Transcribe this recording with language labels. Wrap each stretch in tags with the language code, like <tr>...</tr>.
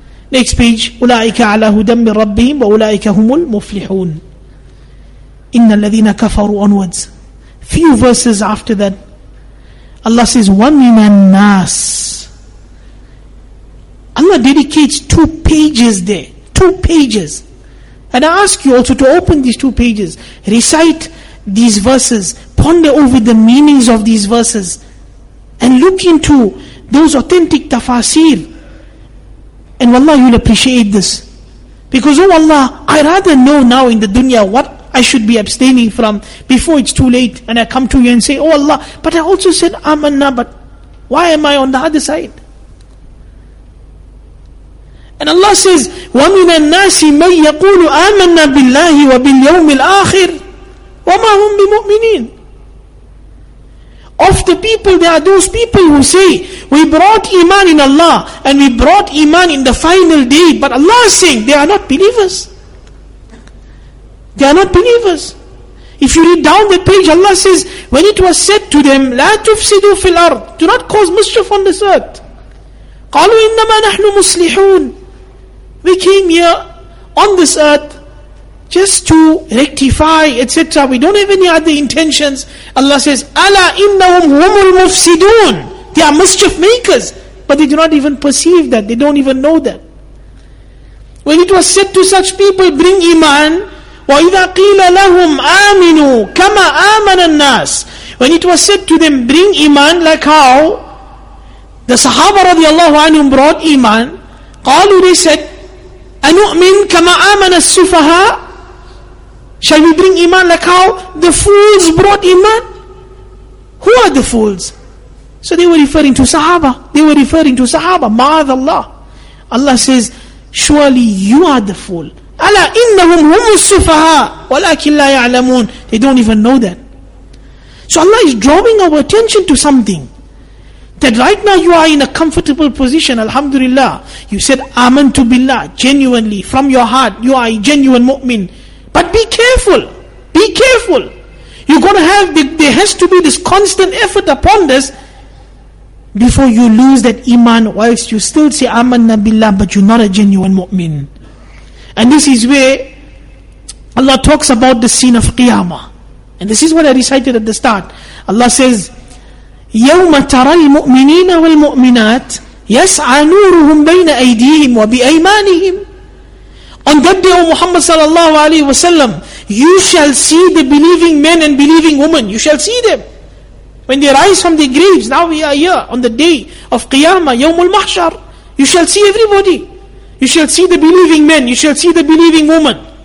<en>Next page,</en> <ar>أُولَٰئِكَ عَلَىٰ هُدَمْ مِنْ رَبِّهِمْ وَأُولَٰئِكَ هُمُ الْمُفْلِحُونَ إِنَّ الَّذِينَ كَفَرُوا onwards.</ar> <en>Few verses after that, Allah says,</en> <ar>وَمِنَ النَّاسِ.</ar> <en>Allah dedicates 2 pages there. 2 pages. And I ask you also to open these 2 pages. Recite these verses. Ponder over the meanings of these verses. And look into those authentic tafaseer. And wallah, you'll appreciate this. Because oh Allah, I rather know now in the dunya what I should be abstaining from before it's too late. And I come to you and say, oh Allah, but I also said, amanna, but why am I on the other side? And Allah says,</en> <ar>وَمِنَ النَّاسِ مَنْ يَقُولُ آمَنَّا بِاللَّهِ وَبِالْيَوْمِ الْآخِرِ وَمَا هُمْ بِمُؤْمِنِينَ. Of the people, there are those people who say, we brought iman in Allah, and we brought iman in the final day, but Allah is saying, they are not believers. They are not believers.</ar> <en>If you read down the page, Allah says, when it was said to them,</en> <ar>لَا تُفْسِدُوا فِي الْأَرْضِ.</ar> <en>Do not cause mischief on this earth.</en> <ar>قَالُوا إِنَّمَا نَحْنُ مُسْلِحُونَ.</ar> <en>We came here on this earth just to rectify, etc. We don't have any other intentions. Allah says,</en> <ar>أَلَا إِنَّهُمْ هُمُ الْمُفْسِدُونَ.</ar> <en>They are mischief makers. But they do not even perceive that. They don't even know that. When it was said to such people, bring iman.</en> <ar>وَإِذَا قِيلَ لَهُمْ آمِنُوا كَمَا آمَنَ النَّاسِ.</ar> <en>When it was said to them, bring iman, like how the Sahaba radiallahu anhum brought iman.</en> <ar>قالوا,</ar> <en>they said,</en> <ar>أَنُؤْمِنْ كَمَا آمَنَ السُّفَهَا.</ar> <en>Shall we bring iman like how the fools brought iman? Who are the fools? So they were referring to Sahaba. They were referring to Sahaba. Ma'adallah. Allah says, surely you are the fool.</en> <ar>أَلَا إِنَّهُمْ هُمُ السُّفَهَا وَلَكِنْ لَا يَعْلَمُونَ.</ar> <en>They don't even know that. So Allah is drawing our attention to something. That right now you are in a comfortable position, alhamdulillah. You said, amantu billah, genuinely, from your heart, you are a genuine mu'min. But be careful, be careful. You're going to have, there has to be this constant effort upon this before you lose that iman whilst you still say, amanna billah, but you're not a genuine mu'min. And this is where Allah talks about the scene of Qiyamah. And this is what I recited at the start. Allah says,</en> <ar>يَوْمَ تَرَى الْمُؤْمِنِينَ وَالْمُؤْمِنَاتِ يَسْعَى نُورُهُمْ بَيْنَ أَيْدِيهِمْ وَبِأَيْمَانِهِمْ.</ar> <en>On that day, O Muhammad sallallahu alayhi wa sallam, you shall see the believing men and believing women. You shall see them. When they rise from their graves, now we are here on the day of Qiyamah, Yawmul Mahshar. You shall see everybody. You shall see the believing men. You shall see the believing women.</en>